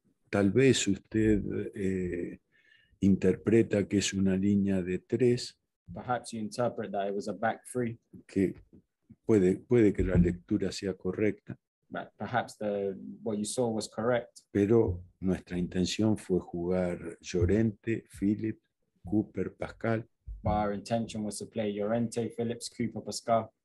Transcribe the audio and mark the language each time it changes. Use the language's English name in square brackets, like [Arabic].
[Spanish] Tal vez usted interpreta que es una línea de tres. [English] Perhaps you interpret that it was a back three. [Spanish] Que puede que la lectura sea correcta. [English] But perhaps what you saw was correct. [Spanish] Pero nuestra intención fue jugar Llorente, Philip, Cooper, Pascal. [English] Our intention was to play Llorente, Phillips, Cooper, Pascal.